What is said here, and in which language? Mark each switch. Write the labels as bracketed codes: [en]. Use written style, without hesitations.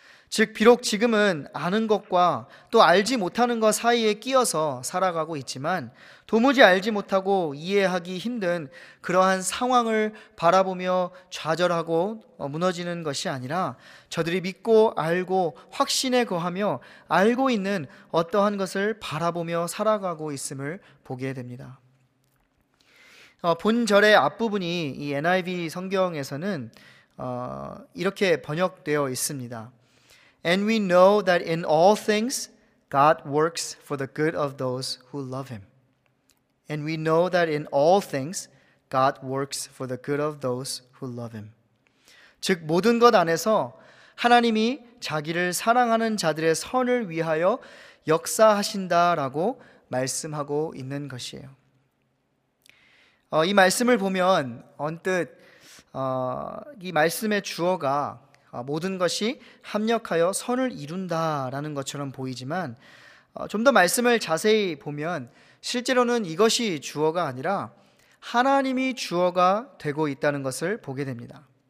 [ko] 즉 비록 지금은 아는 것과 또 알지 못하는 것 사이에 끼어서 살아가고 있지만 도무지 알지 못하고 이해하기 힘든 그러한 상황을 바라보며 좌절하고 무너지는 것이 아니라 저들이 믿고 알고 확신에 거하며 알고 있는 어떠한 것을 바라보며 살아가고 있음을 보게 됩니다. 본절의 앞부분이 이 NIV 성경에서는 이렇게 번역되어 있습니다. [en] And we know that in all things God works for the good of those who love him. And we know that in all things God works for the good of those who love him. [ko] 즉 모든 것 안에서 하나님이 자기를 사랑하는 자들의 선을 위하여 역사하신다라고 말씀하고 있는 것이에요. 이 말씀을 보면 언뜻 이 말씀의 주어가 모든 것이 합력하여 선을 이룬다라는 것처럼 보이지만 좀 더 말씀을 자세히 보면 실제로는 이것이 주어가 아니라 하나님이 주어가 되고 있다는 것을 보게 됩니다.